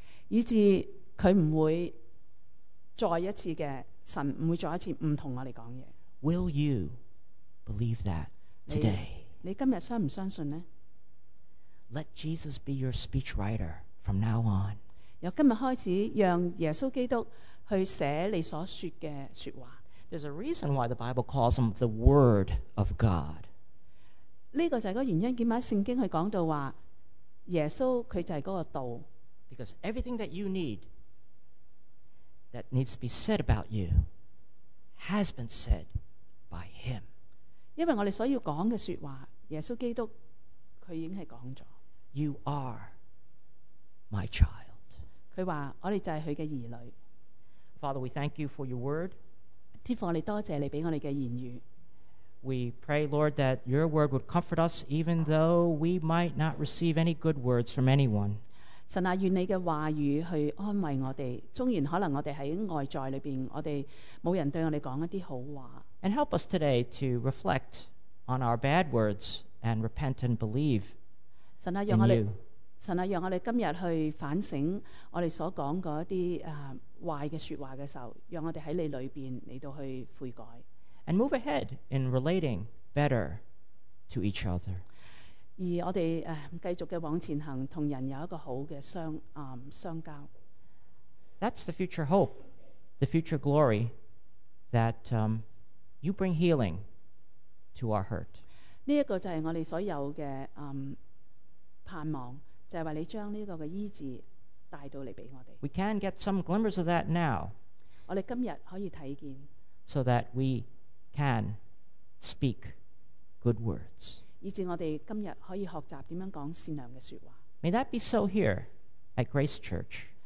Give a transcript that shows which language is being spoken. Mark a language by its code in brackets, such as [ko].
[yue] 以致佢唔会再一次嘅神唔会再一次唔同我哋讲嘢。 [en] Will you believe that today？ [yue] 你今日相唔相信呢？ [en] Let Jesus be your speechwriter from now on. [yue] 由今日开始，让耶稣基督去写你所说嘅说话。 [en] There's a reason why the Bible calls him the Word of God. [yue] 呢个就系个原因，点解圣经去讲到话耶稣佢就系嗰个道。 [en] Because everything that you need, that needs to be said about you, has been said by him. [yue] 因为我哋所要讲嘅说话，耶稣基督佢已经系讲咗。 [en] You are my child. [yue] 佢话我哋就系佢嘅儿女。 [en] Father, we thank you for your word. [yue] 天父，我哋多谢你俾我哋嘅言语。 [en] We pray, Lord, that your word would comfort us, even though we might not receive any good words from anyone. [yue] 神啊，愿你嘅话语去安慰我哋。纵然可能我哋喺外在里边，我哋冇人对我哋讲一啲好话。 [en] And help us today to reflect on our bad words and repent and believe. [yue] 神啊，让我哋，神啊，让我哋今日去反省我哋所讲嗰啲坏嘅说话嘅时候，让我哋喺你里边嚟到去悔改。 [en] And move ahead in relating better to each other。 [yue] 而我哋继续嘅往前行，同人有一个好嘅相交。 [en] That's the future hope, the future glory that you bring healing to our hurt。 [yue] 呢一个就系我哋所有嘅盼望，就系话你将呢个嘅医治带到嚟俾我哋。 [en] We can get some glimmers of that now。 [yue] 我哋今日可以睇见。 [en] So that we can speak good words。 [yue] 以致我哋今日可以学习点样讲善良嘅说话。 [en] May that be so here at Grace Church。